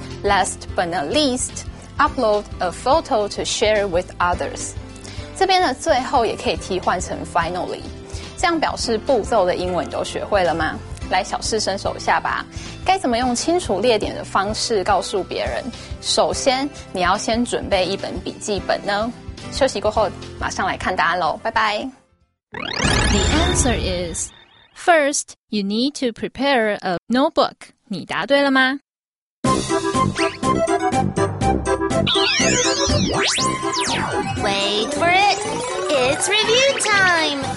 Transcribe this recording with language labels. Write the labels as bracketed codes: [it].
[en] Last but not least, upload a photo to share with others. [zh] 这边的最后也可以替换成 finally. 这样表示步骤的英文都学会了吗？来小试身手一下吧。该怎么用清楚列点的方式告诉别人，首先你要先准备一本笔记本呢？休息过后马上来看答案咯，拜拜。 [en] The answer is, first, you need to prepare a notebook. [zh] 你答对了吗？ [en] Wait for it. It's review time.